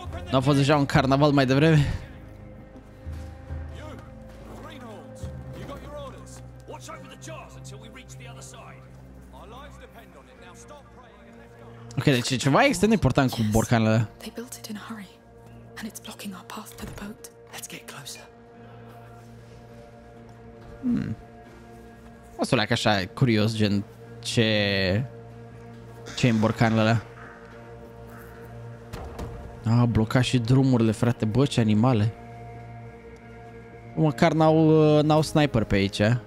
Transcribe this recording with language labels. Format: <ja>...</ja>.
<ro>N-a fost deja un carnaval mai devreme?</ro> <en>You, greenhorns, you got your orders. Watch over the jars until we reach the other side. Our lives depend on it. Now stop praying and let's go.</en> <ro>Okay, deci ceva extrem de important cu borcanele.</ro> <en>They built it in a hurry, and it's blocking our path to the boat. Let's get closer.</en> <ro>O să leacă așa, curios, gen, ce-i în borcanele alea. A, blocat și drumurile, frate, bă, ce animale. Măcar n-au sniper pe aici.</ro>